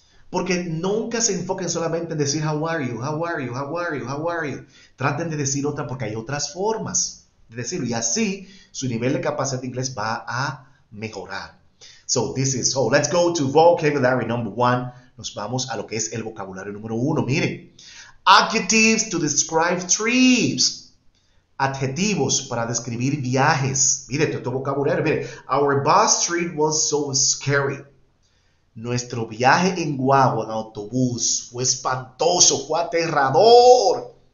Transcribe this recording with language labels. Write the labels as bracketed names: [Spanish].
[Spanish] Porque nunca se enfoquen solamente en decir [English] how are you, how are you, [Spanish] how are you, how are you. Traten de decir otra porque hay otras formas de decirlo. Y así su nivel de capacidad de inglés va a mejorar. [English] So this is, so let's go to vocabulary number one. [Spanish] Nos vamos a lo que es el vocabulario número uno. [English] Miren, adjectives to describe trips. [Spanish] Adjetivos para describir viajes. Miren, todo vocabulario. [English] Miren, our bus trip was so scary. [Spanish] Nuestro viaje en guagua, en autobús, fue espantoso, fue aterrador.